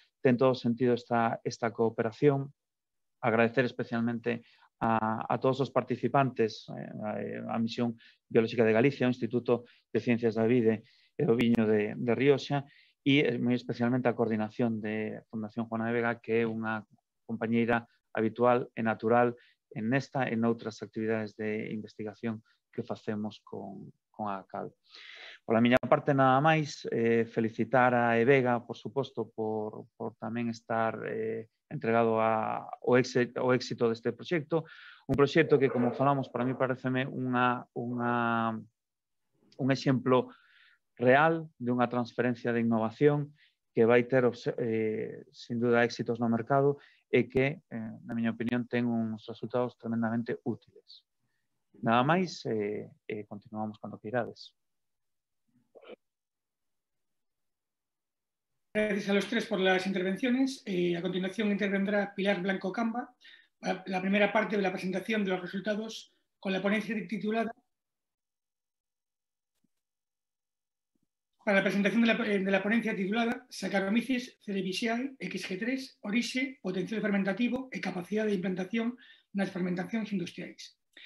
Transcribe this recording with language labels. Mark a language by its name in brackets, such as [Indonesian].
[Galician] Ten todo sentido esta cooperación. Agradecer especialmente a todos os participantes, a Misión Biolóxica de Galicia, o Instituto de Ciencias da Vida e o Viño de Rioxa, e moi especialmente a coordinación de Fundación Juana de Vega, que é unha compañeira habitual e natural en esta e noutras actividades de investigación que facemos con a ACAL. Por a miña parte, nada máis, felicitar a EVEGA, por suposto, por tamén estar entregado o éxito deste proxecto. Un proxecto que, como falamos, para mí pareceme un exemplo real de unha transferencia de innovación que vai ter, sin dúda, éxitos no mercado e que, na miña opinión, ten uns resultados tremendamente útiles. Nada máis, continuamos cando queirades. [Spanish] Gracias a los tres por las intervenciones. A continuación intervendrá Pilar Blanco Camba, la primera parte de la presentación de los resultados con la ponencia titulada para la presentación de la ponencia titulada Saccharomyces cerevisiae XG3, origen, potencial fermentativo y capacidad de implantación en las fermentaciones industriales.